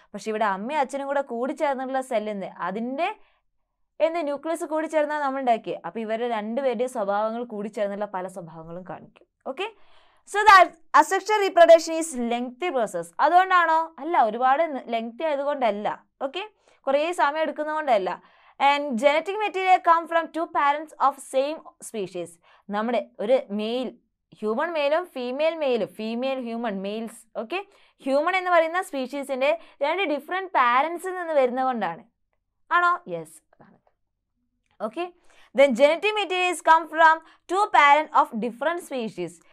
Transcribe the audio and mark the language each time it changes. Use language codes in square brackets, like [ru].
[ml] പക്ഷെ ഇവിടെ അമ്മയും അച്ഛനും കൂടെ കൂടി ചേർന്നിട്ടുള്ള സെല്ലിൽ നിന്ന് അതിൻ്റെ എന്ത് ന്യൂക്ലിയസ് കൂടി ചേർന്നാണ് നമ്മൾ ഉണ്ടാക്കി. അപ്പോൾ ഇവരുടെ രണ്ടുപേരുടെയും സ്വഭാവങ്ങൾ കൂടി ചേർന്നിട്ടുള്ള പല സ്വഭാവങ്ങളും കാണിക്കും. [en] Okay, so that asexual reproduction is lengthy process. അതുകൊണ്ടാണോ? [ml] അല്ല, ഒരുപാട് ലെങ്തി ആയതുകൊണ്ടല്ല. ഓക്കെ, കുറേ സമയം എടുക്കുന്നതുകൊണ്ടല്ല. [en] And genetic material come from two parents of same species. [ml] നമ്മുടെ ഒരു മെയിൽ ഹ്യൂമൺ മെയിലും ഫീമെയിൽ മെയിലും, female human males, okay, human എന്ന് പറയുന്ന സ്പീഷീസിൻ്റെ രണ്ട് ഡിഫറെൻറ്റ് പാരൻസിൽ നിന്ന് വരുന്നത് കൊണ്ടാണ്. ആണോ? Yes. [en] Okay, then genetic materials come from to parent of different species.